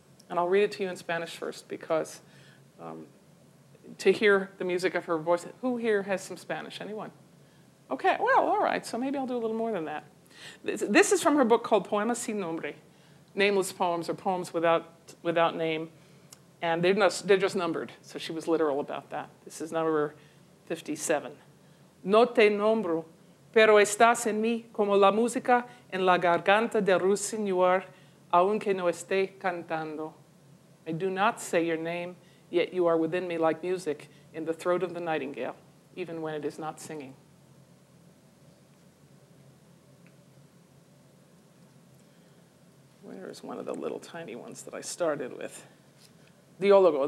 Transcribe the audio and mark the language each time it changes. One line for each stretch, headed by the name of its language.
English: And I'll read it to you in Spanish first, because to hear the music of her voice, who here has some Spanish? Anyone? Okay, well, all right, so maybe I'll do a little more than that. This is from her book called Poemas Sin Nombre, Nameless Poems, or Poems Without Name. And they're just numbered, so she was literal about that. This is number 57.
Spanish: No te nombro, pero estás en mí como la música en la garganta de Rusiñor, aunque no esté cantando.
English: I do not say your name, yet you are within me like music in the throat of the nightingale, even when it is not singing. Where is one of the little tiny ones that I started with? Diologo.